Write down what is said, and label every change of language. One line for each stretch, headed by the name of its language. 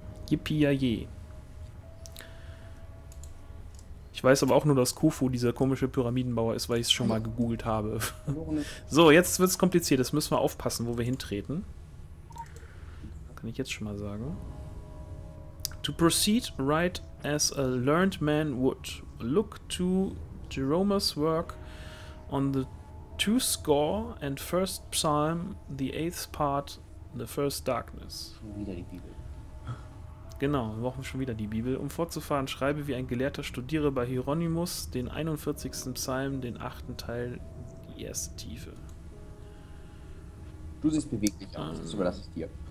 German: Yippie-ja-je. Ich weiß aber auch nur, dass Khufu dieser komische Pyramidenbauer ist, weil ich es schon mal gegoogelt habe. So, jetzt wird es kompliziert. Jetzt müssen wir aufpassen, wo wir hintreten. Kann ich jetzt schon mal sagen.
English: To proceed right as a learned man would. Look to Jeromus' work on the 2 Score and 1st Psalm, the 8th part, the 1st darkness.
German: Genau, wir brauchen schon wieder die Bibel. Um fortzufahren, schreibe wie ein Gelehrter, studiere bei Hieronymus den 41. Psalm, den 8. Teil, die 1. Tiefe. Du siehst beweglich aus, das überlasse ich dir.